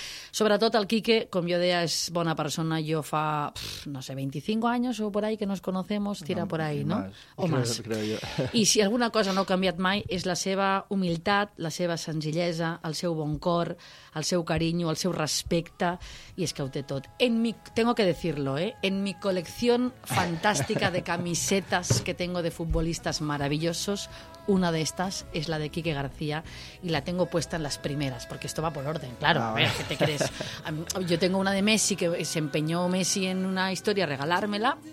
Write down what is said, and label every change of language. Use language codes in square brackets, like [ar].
[ca] Sobretot el Quique, com jo deia, és bona persona. Jo fa, no sé, 25 anys [es] o por ahí que nos conocemos, tira por ahí, no? O más. Creo. [ca] I si alguna cosa no ha canviat mai és la seva humilitat, la seva senzillesa, el seu bon cor, el seu carinyo, el seu respecte, i és que ho té tot. [es] Tengo que decirlo, ¿eh? En mi colección fantástica de camisetas que tengo de futbolistas maravillosos, una de estas es la de Quique García y la tengo puesta en las primeras, porque esto va por orden, claro, ¿qué te crees? Yo tengo una de Messi, que se empeñó Messi en una historia a regalármela.